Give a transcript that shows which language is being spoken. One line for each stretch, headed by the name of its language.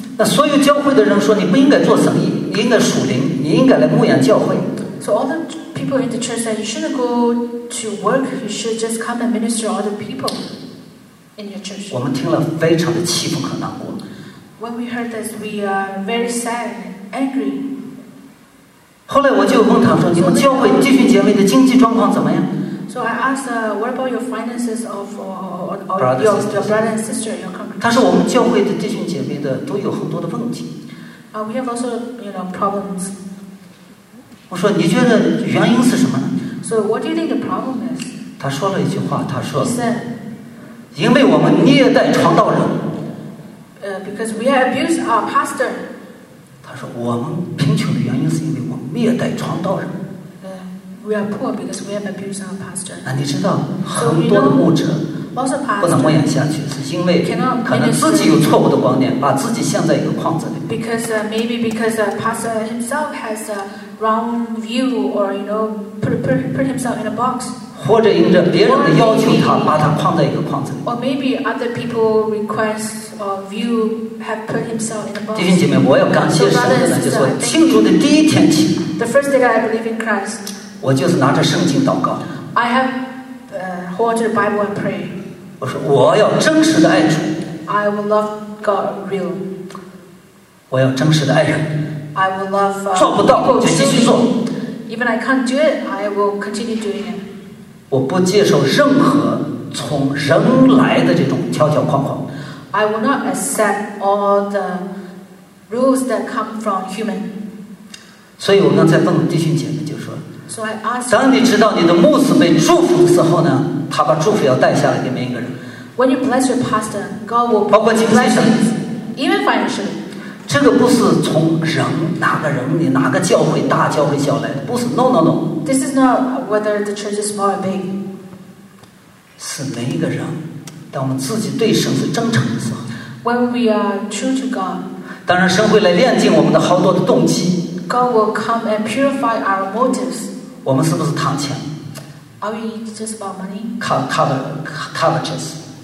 Chinese: 那所有教会的人说，你不应该做生意，你应该属灵，你应该来牧养教会。
English: So all the people in the church said you shouldn't go to work, you should just come and minister all the people in your church.
Chinese: 我们听了非常的气愤和难过。
English: When we heard this, we are very sad, angry.
Chinese: 后来我就问他说，你们教会弟兄姐妹的经济状况怎么样
English: ？So I asked, what about your finances of your brother and sister, your congregation?
Chinese: 他说我们教会的弟兄姐妹的都有很多的问题。
English: We have also, problems.
Chinese: 我说你觉得原因是什么呢
English: ？So what do you think the problem is?
Chinese: 他说了一句话，他说。
English: He said,
Chinese: 因为我们虐待传道人。
English: Because we have abused our pastor.
Chinese: 他说我们贫穷的原因是因为我们虐待传道人。
English: We are poor because we have abused our pastor.
Chinese: 那你知道很多的牧者。不能牧养下去，是因为可能自己有错误的观念，把自己陷在一个框子里。
English: Because pastor himself has a wrong view, or put himself in a box.
Chinese: 或者因着别人的要求他，把他框在一个框子里。
English: Or maybe other people request or view have put himself in a box.
Chinese: 弟兄姐妹，我要感谢神呢，就说庆祝的第一天起。
English: The first day that I believe in Christ.
Chinese: 我就是拿着圣经祷告。
English: I have. Hold the Bible and pray.
Chinese: 我说我要真实的爱主。
English: I will love God real.
Chinese: 我要真实的爱人。
English: I will love.
Chinese: 做不到就继续做。
English: Even I can't do it, I will continue doing it.
Chinese: 我不接受任何从人来的这种条条框框。
English: I will not accept all the rules that come from human.
Chinese: 所以我刚才问弟兄姐妹就说。
English: So、
Chinese: 当你知道你的牧师被祝福的时候呢，他把祝福要带下来给每一个人。
English: When you bless your pastor, God will bless you.
Chinese: 包括经济上
English: ，even financially.
Chinese: 这个不是从人哪个人，你哪个教会大教会小来的，不是。
English: No. This is not whether the church is small or big.
Chinese: 是每一个人当我们自己对神是真诚的时候。
English: When we are true to God.
Chinese: 当然，神会来炼净我们的好多的动机。
English: God will come and purify our motives.
Chinese: 我们是不是贪钱
English: ？Are we just about money? Covetous.